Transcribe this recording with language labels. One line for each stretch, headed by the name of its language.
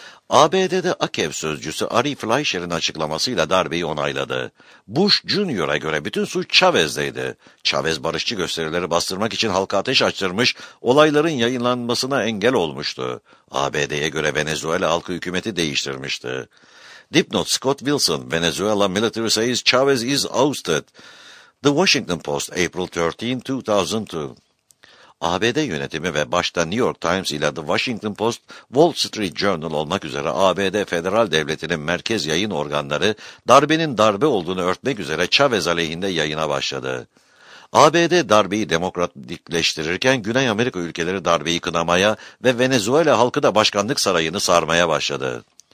Turkish: ABD'de AKEV sözcüsü Ari Fleischer'in açıklamasıyla darbeyi onayladı. Bush Jr.'a göre bütün suç Chavez'deydi. Chavez barışçı gösterileri bastırmak için halka ateş açtırmış, olayların yayınlanmasına engel olmuştu. ABD'ye göre Venezuela halkı hükümeti değiştirmişti.
English: Dipnot Scott Wilson, Venezuela military says Chavez is ousted. The Washington Post, April 13, 2002.
Turkish: ABD yönetimi ve başta New York Times ile The Washington Post, Wall Street Journal olmak üzere ABD federal devletinin merkez yayın organları darbenin darbe olduğunu örtmek üzere Chavez aleyhinde yayına başladı. ABD darbeyi demokratikleştirirken Güney Amerika ülkeleri darbeyi kınamaya ve Venezuela halkı da başkanlık sarayını sarmaya başladı.